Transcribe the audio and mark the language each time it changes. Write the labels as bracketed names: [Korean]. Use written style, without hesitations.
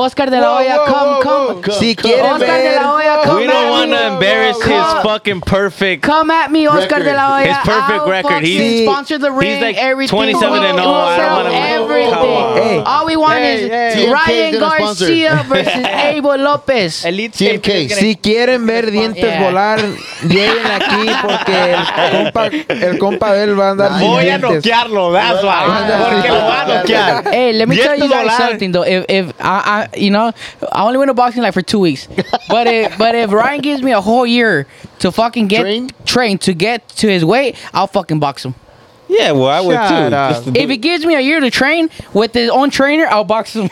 [English] Oscar de la Hoya, come. Oscar de la Hoya, come. We don't want to embarrass his fucking perfect. Come at me, Oscar de la Hoya. His perfect record. He's sponsored the ring. He's like 27-0. I don't want to everything. All we want is Ryan Garcia versus Abel. Abel López. TMK. [Spanish] Si quieren ver dientes volar, lleguen aquí porque el compa de él va a andar sin dientes. Voy a noquearlo, [English] that's why. [Spanish] Porque lo va a noquear. [English] Hey, let me tell you guys something, though. I only went to boxing like for 2 weeks. But if Ryan gives me a whole year to fucking get trained to get to his weight, I'll fucking box him. Yeah, well, I would too. If he gives me a year to train with his own trainer, I'll box him.